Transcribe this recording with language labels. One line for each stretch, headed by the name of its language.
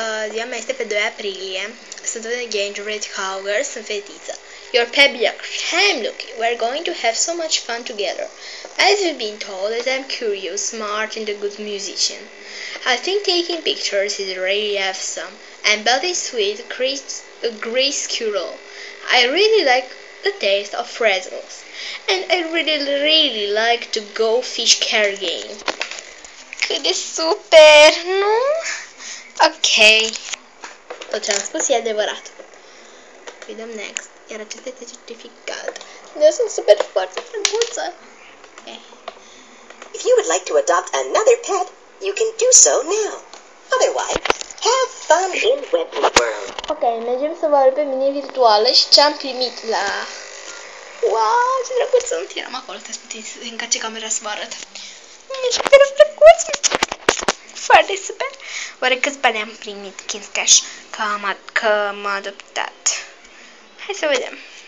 Romanian: Ziua mea este pe 2 aprilie. Sunt un
English: gingerbread hogger,
Romanian: sunt fetiță.
English: Your baby, I'm Lucky. We're going to have so much fun together. As you've been told, that I'm curious, smart, and a good musician. I think taking pictures is really awesome. And very sweet, gray squirrel. I really like the taste of pretzels. And I really, really like to go fish care game.
Romanian: Cât de super, nu? Ok. Tot ce am spus e adevărat. Vedem next. Iar acesta este certificat. Eu sunt super foarte frumoasă.
English: If you would like to adopt another pet, you can do so now. Otherwise, have fun in Webby World.
Romanian: Ok, mergem să vă arăt pe mine virtuală și ce-am primit la... Wow, ce drăguț sunt! Eram acolo, stai puțin să încarce camera să vă arăt. Ești drăguț! Foarte super! Oare câți bani am primit, Kinscash, că m-a adoptat? Hai să vedem.